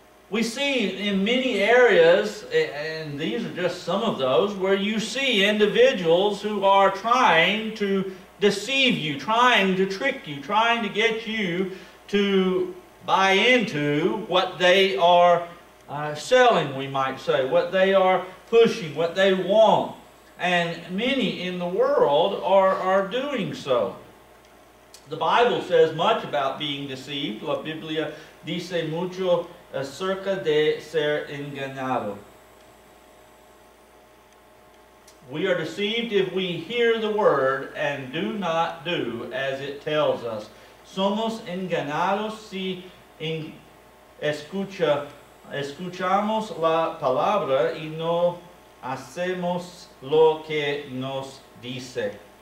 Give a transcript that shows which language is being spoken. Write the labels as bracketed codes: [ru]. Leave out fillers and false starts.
[en] We see in many areas, and these are just some of those, where you see individuals who are trying to deceive you, trying to trick you, trying to get you to buy into what they are selling, we might say, what they are pushing, what they want. And many in the world are doing so. The Bible says much about being deceived. [es] La Biblia dice mucho acerca de ser engañado. [en] We are deceived if we hear the word and do not do as it tells us. [es] Somos engañados si escuchamos la palabra y no hacemos lo que nos dice.